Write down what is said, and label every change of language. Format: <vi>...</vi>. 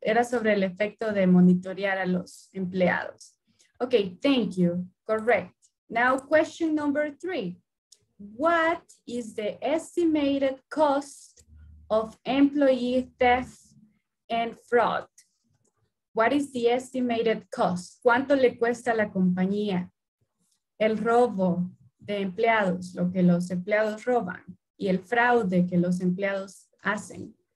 <es>Era sobre el efecto de monitorear a los empleados.</es> <en>Okay, thank you. Correct. Now, question number three. What is the estimated cost of employee theft and fraud? What is the estimated cost?</en> <es>¿Cuánto le cuesta a la compañía el robo de empleados, lo que los empleados roban, y el fraude que los empleados hacen?</es>